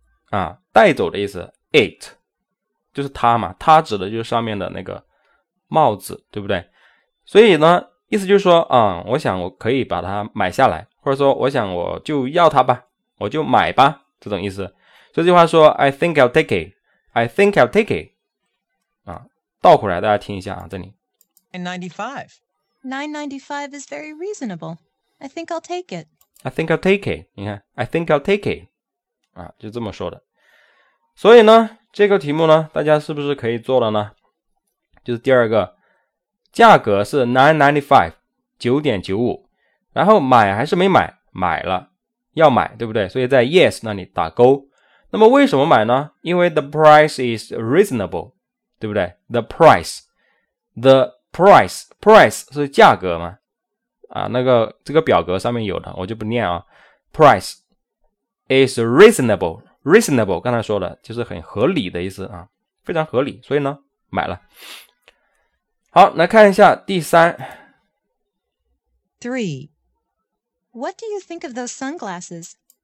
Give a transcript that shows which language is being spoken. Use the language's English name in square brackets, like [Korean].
[Chinese] 啊，带走的意思 it 就是他嘛他指的就是上面的那个帽子对不对所以呢意思就是说嗯，我想我可以把它买下来或者说我想我就要它吧我就买吧这种意思这句话说 [English] I think I'll take it [Chinese] I think I'll take it 啊，倒回来大家听一下啊，这里 [English] $9.95 is very reasonable I think I'll take it I think I'll take it [Chinese] 你看 I think I'll take it 啊，就这么说的所以呢这个题目呢大家是不是可以做了呢就是第二个价格是 $9.95 然后买还是没买买了要买对不对所以在 yes 那里打勾那么为什么买呢因为 [English] the price is reasonable [Chinese] 对不对 the price 是价格吗啊，那个这个表格上面有的我就不念啊 price [English] is reasonable [Chinese] 刚才说的就是很合理的意思啊，非常合理所以呢买了好来看一下第三 [English] 3. What do you think of those sunglasses?